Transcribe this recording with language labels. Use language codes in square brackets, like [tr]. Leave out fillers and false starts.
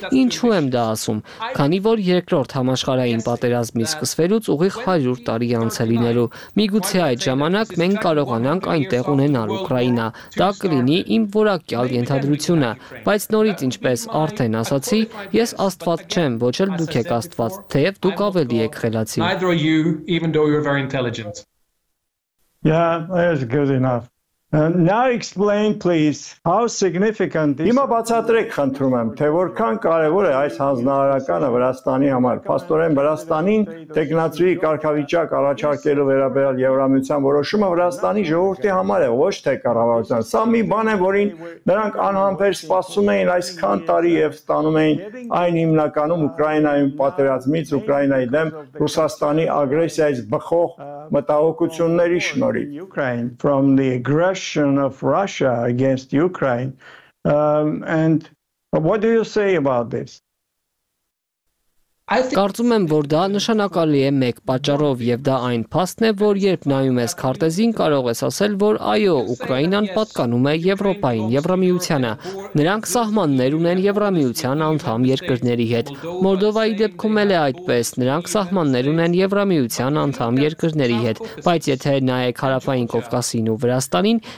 [hy] Ինչու եմ դա ասում, քանի որ երկրորդ համաշխարհային պատերազմի սկսվելուց ուղիղ 100 տարի անց է լինելու։ Միգուցե այդ ժամանակ մենք կարողանանք այնտեղ ունենալ Ուկրաինա, դա կլինի իմ որակյալ ենթադրությունը, բայց նորից, ինչպես արդեն ասացի, ես Աստված չեմ, ոչ էլ դուք եք Աստված, թեև դուք ավելի եք խելացի։ [en] Neither are you, even though you're very intelligent. Yeah, that's good enough. Now explain please how significant is [hy] Իմա բացատրեք խնդրում եմ թե որքան կարևոր է այս հանձնարարականը Վրաստանի համար Պաստորեն Վրաստանին տեղնացրի կարգավիճակ առաջարկելու վերաբերյալ Եվրամիության որոշումը Վրաստանի ժողովրդի համար է ոչ թե կառավարության Սա մի բան է որին նրանք անհամբեր սպասում էին այսքան տարի եւ ստանում էին այն հիմնականում Ուկրաինայում պատերազմից Ուկրաինայի դեմ Ռուսաստանի ագրեսիայից բխող մտահոգությունների շնորհիվ [en] Russian of Russia against Ukraine. And what do you say about this? [hy] Կարծում եմ, որ դա նշանակալի է մեկ պատճառով եւ դա այն փաստն է, որ երբ նայում ես քարտեզին, կարող ես ասել, որ այո, Ուկրաինան պատկանում է Եվրոպային Եվրամիությանը։ Նրանք սահմաններ ունեն Եվրամիության անդամ երկրների հետ։ Մոլդովայի դեպքում էլ է այդպես, նրանք սահմաններ ունեն Եվրամիության անդամ երկրների հետ։ Բայց եթե նայեք Հարավային Կովկասին ու Վրաստանին,